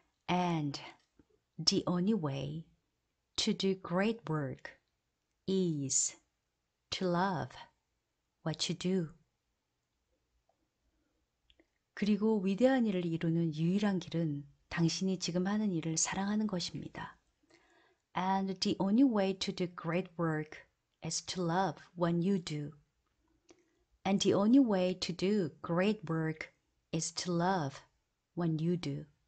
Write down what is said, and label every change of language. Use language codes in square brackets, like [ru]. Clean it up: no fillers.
[en] And the only way to do great work is to love what you do. [ko] 그리고 위대한 일을 이루는 유일한 길은 당신이 지금 하는 일을 사랑하는 것입니다. [en] And the only way to do great work is to love what you do. And the only way to do great work is to love what you do.